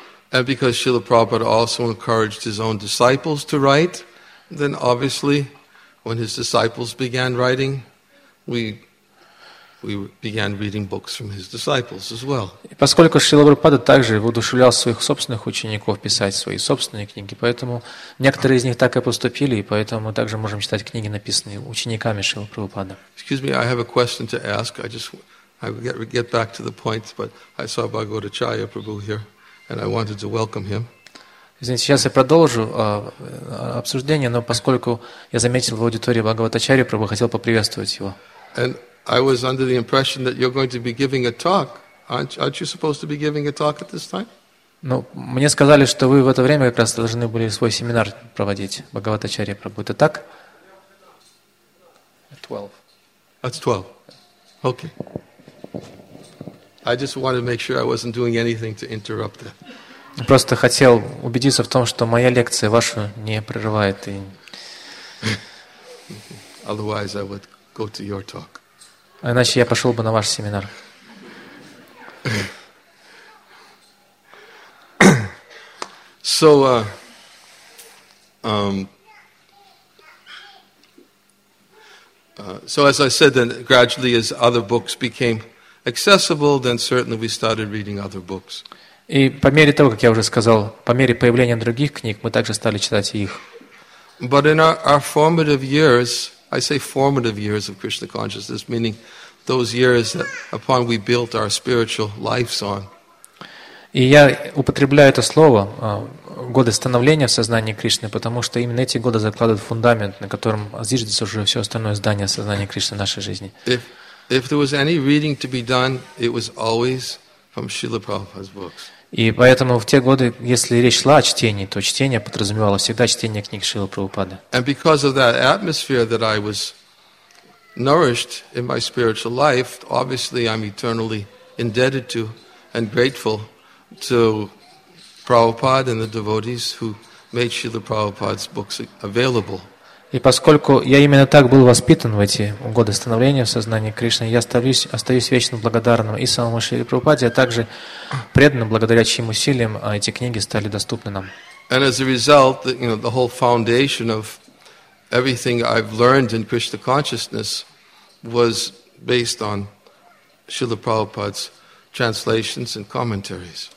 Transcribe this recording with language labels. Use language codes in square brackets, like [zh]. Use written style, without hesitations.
[en] And because Srila Prabhupada also encouraged his own disciples to write, then obviously when his disciples began writing, we began reading books from his disciples as well. [ru] И поскольку Шрила Прабхупада также воодушевлял своих собственных учеников писать свои собственные книги, поэтому некоторые из них так и поступили, и поэтому мы также можем читать книги, написанные учениками Шрила Прабхупады. [en] Excuse me, I have a question to ask. I get back to the point, but I saw Bhagavad Acharya Prabhu here, and I wanted to welcome him. [ru] Извините, сейчас я продолжу обсуждение, но поскольку я заметил в аудитории Бхагавад Ачарья Прабху, хотел поприветствовать его. [en] And I was under the impression that you're going to be giving a talk. Aren't you supposed to be giving a talk at this time? [ru] Ну, мне сказали, что вы в это время как раз должны были свой семинар проводить, Бхагавад Ачарья Прабху. Это так? [en] At 12. Okay. I just wanted to make sure I wasn't doing anything to interrupt that. [ru] Просто хотел убедиться в том, что моя лекция вашу не прерывает. И... [en] Otherwise, I would go to your talk. [ru] А иначе я пошел бы на ваш семинар. [en] So, so as I said, then gradually as other books became accessible, then certainly we started reading other books. [ru] И по мере того, как я уже сказал, по мере появления других книг, мы также стали читать их. [en] But in our formative years, I say formative years of Krishna consciousness, meaning those years that upon we built our spiritual lives on. [ru] И я употребляю это слово годы становления в сознании Кришны, потому что именно эти годы закладывают фундамент, на котором зиждется уже все остальное здание сознания Кришны в нашей жизни. [en] If there was any reading to be done, it was always from Srila Prabhupada's books. [ru] И поэтому в те годы, если речь шла о чтении, то чтение подразумевало всегда чтение книг Шрилы Прабхупады. [en] And because of that atmosphere that I was nourished in my spiritual life, obviously I'm eternally indebted to and grateful to Prabhupada and the devotees who made Srila Prabhupada's books available. [ru] И поскольку я именно так был воспитан в эти годы становления в сознании Кришны, я остаюсь вечно благодарным и самому Шриле Прабхупаде, а также преданным, благодаря чьим усилиям эти книги стали доступны нам. [en] And as a result, you know, the whole foundation of everything I've learned in Krishna consciousness was based on Srila Prabhupada's translations and commentaries.